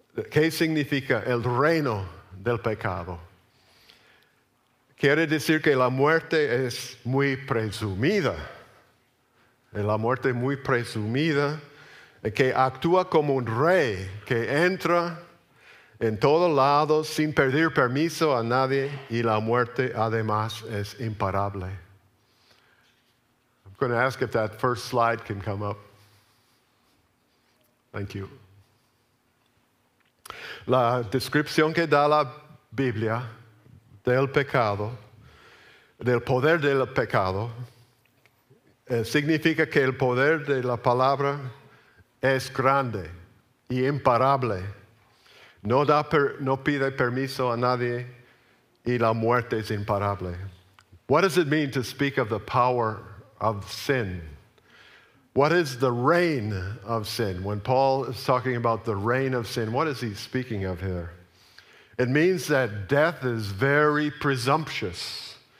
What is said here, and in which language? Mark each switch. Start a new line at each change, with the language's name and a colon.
Spanish: ¿Qué significa el reino del pecado? Quiere decir que la muerte es muy presumida. La muerte muy presumida, que actúa como un rey, que entra en todos lados sin pedir permiso a nadie, y la muerte además es imparable.
English: I'm going to ask if that first slide can come up. Thank you.
Spanish: La descripción que da la Biblia del pecado, del poder del pecado, significa que el poder de la palabra es grande y imparable. No pide permiso a nadie y la muerte es imparable.
English: What does it mean to speak of the power of sin? What is the reign of sin? When Paul is talking about the reign of sin, what is he speaking of here? It means that death is very presumptuous.